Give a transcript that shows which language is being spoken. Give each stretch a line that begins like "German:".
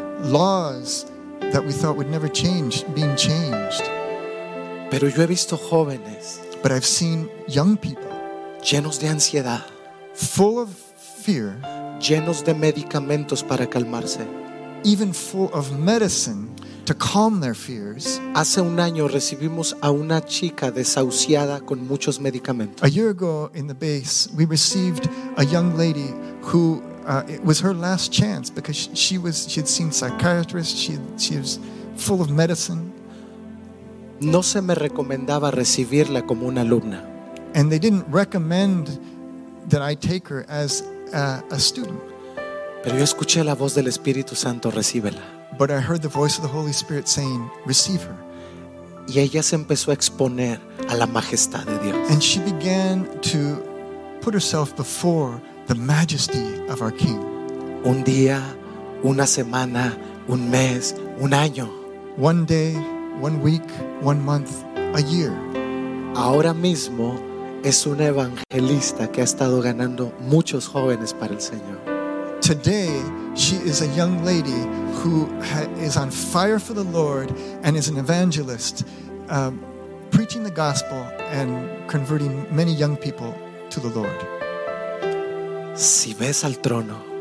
English: Laws that we thought would never change, being changed.
Spanish: Pero yo he visto jóvenes,
English: but I've seen young people,
Spanish: llenos de ansiedad,
English: full of fear,
Spanish: llenos de medicamentos para calmarse,
English: even full of medicine to calm their fears.
Spanish: Hace un año recibimos a una chica desahuciada con muchos medicamentos.
English: A year ago in the base, we received a young lady who it was her last chance because she had seen psychiatrists. She was full of medicine.
Spanish: No se me recomendaba recibirla como una alumna.
English: And they didn't recommend that I take her as a student.
Spanish: Pero yo escuché la voz del Espíritu Santo, recíbela.
English: But I heard the voice of the Holy Spirit saying, receive her.
Spanish: Y ella se empezó a exponer a la majestad de Dios.
English: And she began to put herself before the majesty of our King.
Spanish: Un día, una semana, un mes, Un año.
English: One day, one week, one month, a year.
Spanish: Ahora mismo es un evangelista que ha estado ganando muchos jóvenes para el Señor.
English: Today, she is a young lady who is on fire for the Lord and is an evangelist, preaching the gospel and converting many young people to the Lord.
Spanish: Si ves al trono,